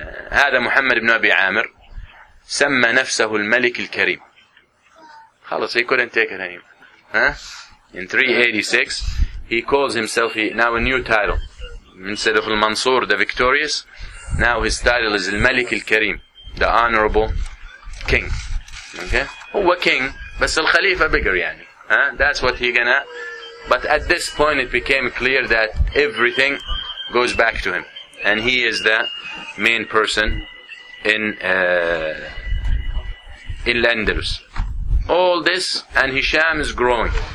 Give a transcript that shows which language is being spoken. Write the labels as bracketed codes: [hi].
[ar] هذا محمد ابن أبي عامر سمى نفسه الملك الكريم خلاص [en] he couldn't take it anymore in 386 he calls himself now a new title instead of المنصور the victorious Now his title is الملك الكريم, the honorable king. [ar] Okay, هو king, بس الخليفة [en] bigger [ar] يعني. [en] That's what he gonna. But at this point, it became clear that everything goes back to him, and he is the main person in الأندلس. All this and Hisham is growing.